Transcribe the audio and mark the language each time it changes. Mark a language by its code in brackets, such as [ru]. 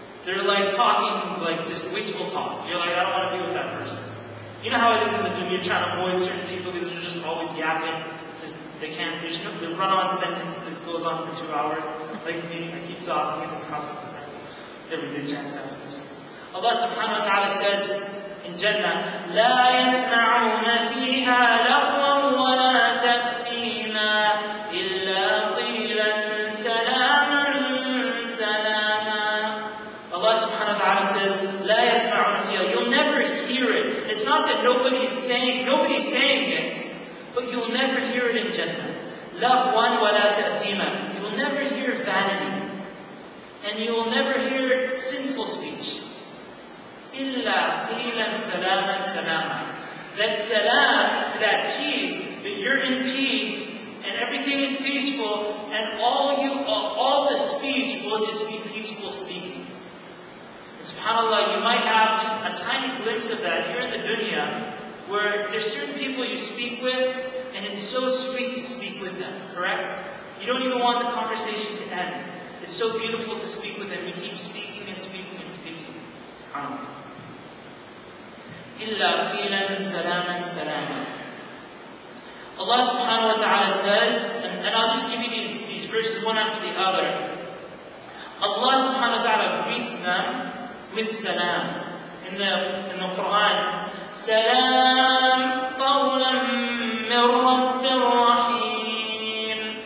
[en] They're like talking like just wasteful talk. You're like, I don't want to be with that person. You know how it is in the dunya, you're trying to avoid certain people because they're just always yapping. The run-on sentence that goes on for 2 hours. Like me, I keep talking in this house. Every chance to ask questions. [ar] Allah subhanahu wa ta'ala [en] says in Jannah, [ar] لَا يَسْمَعُونَ فِيهَا لَغْوًا وَلَا تَأْثِيمًا إِلَّا قِيلًا سَلَامًا سَلَامًا. [en] Allah subhanahu wa ta'ala says, [ar] لَا يَسْمَعُونَ فِيهَا, [en] you'll never hear it. It's not that nobody's saying it, but you'll never hear it in Jannah. [ar] لَغْوًا وَلَا تَأْثِيمًا, [en] you'll never hear vanity. And you will never hear sinful speech. [ar] Illa qilan salaman salama. [en] That salam, that peace, that you're in peace, and everything is peaceful, and all the speech will just be peaceful speaking. And subhanAllah, you might have just a tiny glimpse of that here in the dunya, where there's certain people you speak with, and it's so sweet to speak with them, correct? You don't even want the conversation to end. It's so beautiful to speak with them. You keep speaking and speaking and speaking. [ar] SubhanAllah. إِلَّا قِيلًا سَلَامًا سَلَامًا. [en] Allah subhanahu wa ta'ala says, and I'll just give you these verses one after the other. Allah subhanahu wa ta'ala greets them with salam. In the Quran, [ar] salam qawlan min rabbir rahim.